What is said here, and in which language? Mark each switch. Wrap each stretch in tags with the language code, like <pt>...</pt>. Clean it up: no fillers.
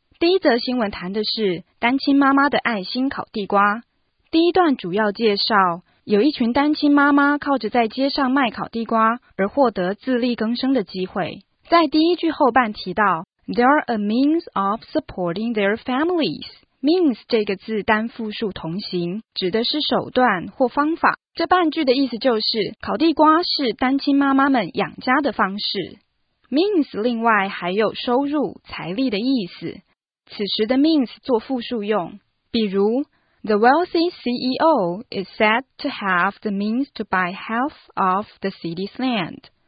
<zh>第一则新闻谈的是单亲妈妈的爱心烤地瓜。第一段主要介绍，有一群单亲妈妈靠着在街上卖烤地瓜而获得自力更生的机会。在第一句后半提到</zh> <en>There are a means of supporting their families。</en> <zh>Means 这个字单复数同形，指的是手段或方法。这半句的意思就是烤地瓜是单亲妈妈们养家的方式。</zh> <en>means</en> <zh>另外还有收入、财力的意思，此时的 means 做复数用，比如</zh> <en>The wealthy CEO is said to have the means to buy half of the city's land.</en>